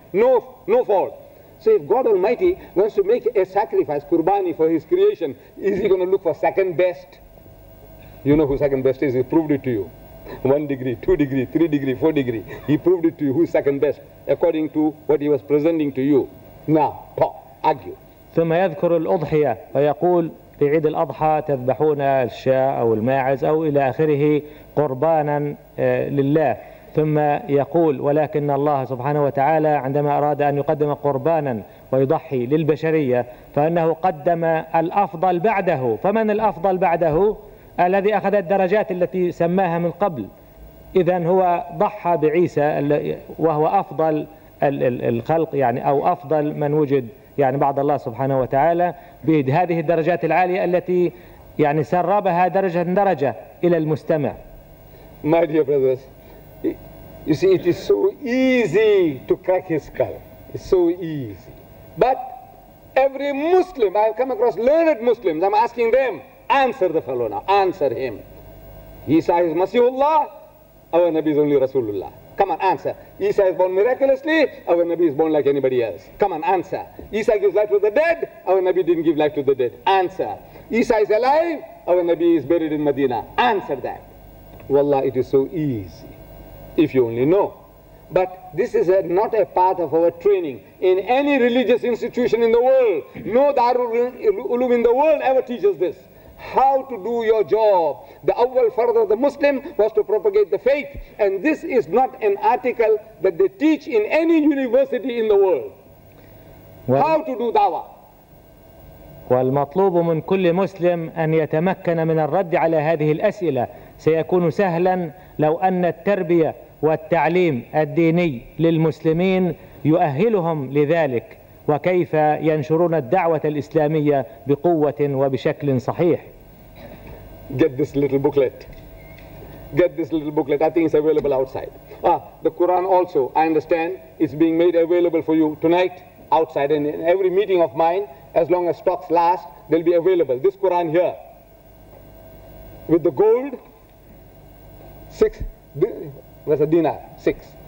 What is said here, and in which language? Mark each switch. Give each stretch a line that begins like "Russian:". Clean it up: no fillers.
English: No fault. So if God Almighty wants to make a sacrifice, Qurbani, for his creation, is he going to look for second best? You know who second best is, he proved it to you. 1 degree, 2 degree, 3 degree, 4 degree. He proved it to you, who is second best, according to what he was presenting to you. Now, talk, argue.
Arabic: ثم يذكر الأضحية فيقول في عيد الأضحى تذبحون الشاء أو الماعز أو إلى آخره قربانا لله، ثم يقول ولكن الله سبحانه وتعالى عندما أراد أن يقدم قربانا ويضحي للبشرية فأنه قدم الأفضل بعده، فمن الأفضل بعده؟ الذي أخذ الدرجات التي سماها من قبل، إذن هو ضحى بعيسى وهو أفضل الخلق، يعني أو أفضل من وجد يعني بعد الله سبحانه وتعالى بهذه الدرجات العالية التي يعني سربها درجة درجة إلى المستمع.
English: My dear brothers, you see, it is so easy to crack his skull. It's so easy. But every Muslim, I have come across learned Muslims, I'm asking them, answer the fellow now, answer him. Isa is Masihullah, our Nabi is only Rasulullah. Come on, answer. Isa is born miraculously, our Nabi is born like anybody else. Come on, answer. Isa gives life to the dead, our Nabi didn't give life to the dead. Answer. Isa is alive, our Nabi is buried in Medina. Answer that. Wallah, it is so easy, if you only know. But this is not a part of our training. In any religious institution in the world, no Darul Uloom in the world ever teaches this. How to do your job. The awwal farad of the Muslim was to propagate the faith. And this is not an article that they teach in any university in the world. How to do da'wah.
Arabic: والمطلوب من كل مسلم أن يتمكن من الرد على هذه الأسئلة، سيكون سهلا لو أن التربية والتعليم الديني للمسلمين يؤهلهم لذلك، وكيف ينشرون الدعوة الإسلامية بقوة وبشكل صحيح.
English: Get this little booklet. Get this little booklet. I think it's available outside. The Quran also, I understand, is being made available for you tonight outside. And in every meeting of mine, as long as stocks last, they'll be available. This Quran here, with the gold, six, that's a dinar, six.